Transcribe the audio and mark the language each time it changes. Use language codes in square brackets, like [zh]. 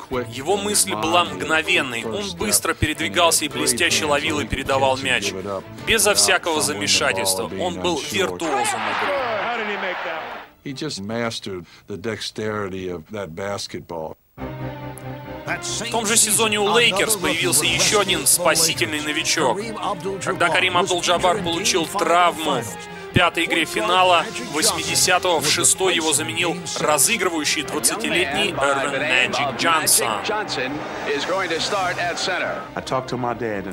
[ru] Его мысль была мгновенной. Он быстро передвигался и блестяще ловил и передавал мяч. Безо всякого замешательства. Он был виртуозом. [en] He just mastered the dexterity of that basketball. [ru] В том же сезоне у Лейкерс появился еще один спасительный новичок. Когда Карим Абдул-Джабар получил травму в пятой игре финала 80-го, в шестой его заменил разыгрывающий 20-летний Эрвин Мэджик Джонсон.